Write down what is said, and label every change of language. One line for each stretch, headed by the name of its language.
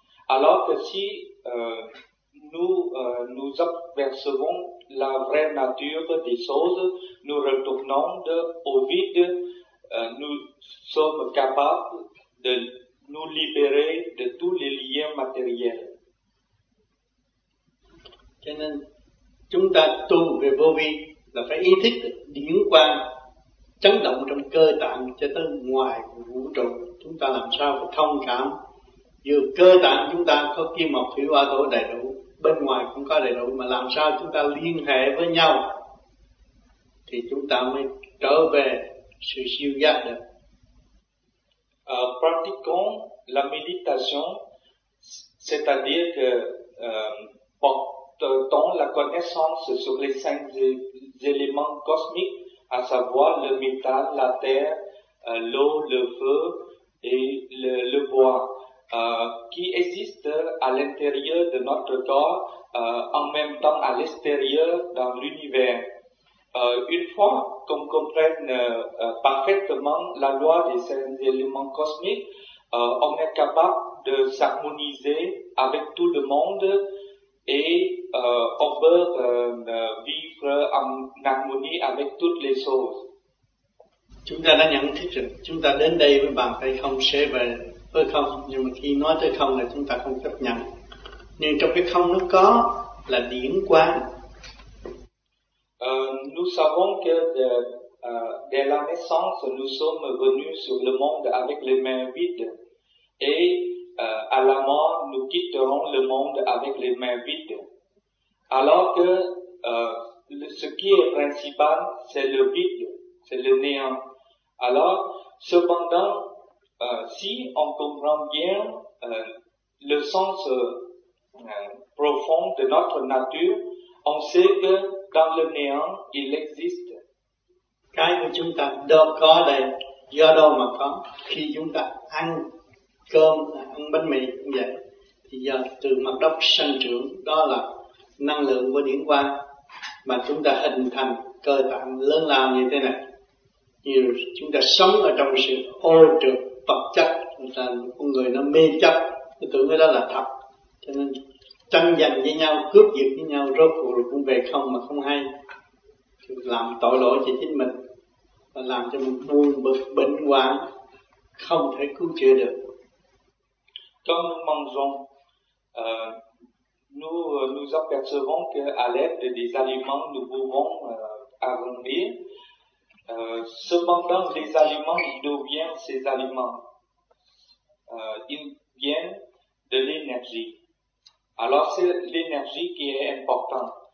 French: Alors que si nous apercevons la vraie nature des choses, nous retournons au vide, nous sommes capables de nous libérer de tous les liens matériels.
Vietnamese: Cho nên chúng ta tu về vô vi là phải ý thức được điển quang chấn động trong cơ tạng cho tới ngoài vũ trụ. Chúng ta làm sao phải thông cảm, dù cơ tạng chúng ta có kim mộc thủy hỏa thổ đầy đủ, bên ngoài cũng có đầy đủ, mà làm sao chúng ta liên hệ với nhau thì chúng ta mới trở về sự siêu giác được.
French: Pratiquons la méditation, c'est-à-dire que portons la connaissance sur les cinq éléments cosmiques, à savoir le métal, la terre, l'eau, le feu et le bois, qui existent à l'intérieur de notre corps, en même temps à l'extérieur dans l'univers. Une fois qu'on comprenne parfaitement la loi des cinq éléments cosmiques, on est capable de s'harmoniser avec tout le monde et on peut vivre en harmonie avec toutes les choses.
Vietnamese: Chúng ta đã nhận thức rồi, chúng ta đến đây với bàn tay không, sẽ về với không, nhưng mà khi nói tới không là chúng ta không chấp nhận. Nhưng trong cái không nó có là điển quang.
French: Nous savons que dès la naissance, nous sommes venus sur le monde avec les mains vides. Et à la mort, nous quitterons le monde avec les mains vides. Alors que ce qui est principal, c'est le vide, c'est le néant. Alors, cependant, si on comprend bien le sens profond de notre nature, on sait que dans le néant, il existe.
Vietnamese: Cái mà chúng ta đâu có đây, do đâu mà có? Khi chúng ta ăn cơm, ăn bánh mì cũng vậy, thì giờ từ mặt đất sinh trưởng, đó là năng lượng của điển quang mà chúng ta hình thành cơ tạng lớn lao như thế này. Như chúng ta sống ở trong sự ô trược vật chất, con người nó mê chấp, nó tưởng cái đó là thật, cho nên tranh giành với nhau, cướp giật với nhau, rốt cuộc rồi cũng về không mà không hay, làm tội lỗi cho chính mình và làm cho mình buồn bực bệnh hoạn không thể cứu chữa được.
French: Quand nous mangeons, nous apercevons que à l'aide des aliments nous pouvons arrondir. Cependant, les aliments, d'où viennent ces aliments? Ils viennent de l'énergie. Alors c'est l'énergie qui est importante.